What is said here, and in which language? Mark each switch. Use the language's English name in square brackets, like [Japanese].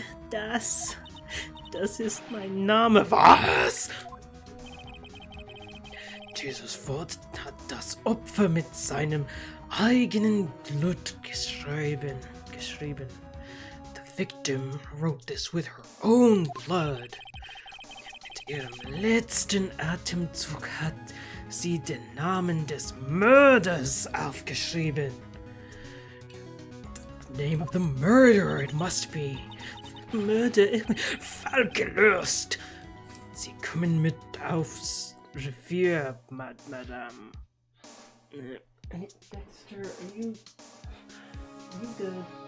[German] Das ist mein Name. Was? Dieses Wort hat das Opfer mit seinem eigenen Blut geschrieben. [English] The victim wrote this with her own blood. [German] Mit ihrem letzten Atemzug hat sie den Namen des Mörders aufgeschrieben. [English] The name of the murderer, it must be. [German] Mörder, Fall gelöst. Sie kommen mit aufs Revier, Madame. [English] Dexter, are you good?